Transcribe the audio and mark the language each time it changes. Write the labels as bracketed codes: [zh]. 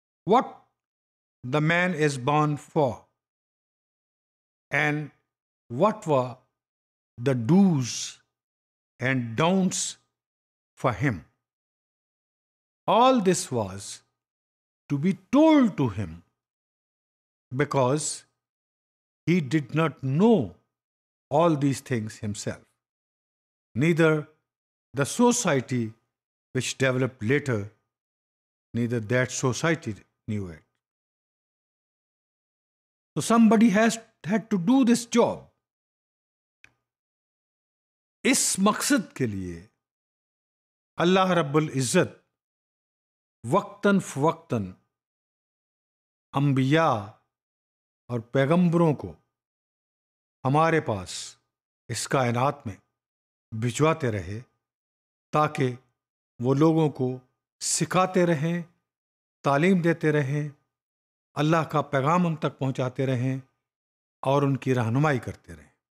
[en] What the man is born for and what what the dos and don'ts for him, all this was to be told to him because he did not know all these things himself. Neither the society which developed later, neither that society knew it. So somebody has had to do this job. [ur] اس مقصد کے لیے اللہ رب العزت وقتاً فوقتاً انبیاء اور پیغمبروں کو ہمارے پاس اس کائنات میں بھجواتے رہے تاکہ وہ لوگوں کو سکھاتے رہیں, تعلیم دیتے رہیں, اللہ کا پیغام ان تک پہنچاتے رہیں اور ان کی رہنمائی کرتے رہیں.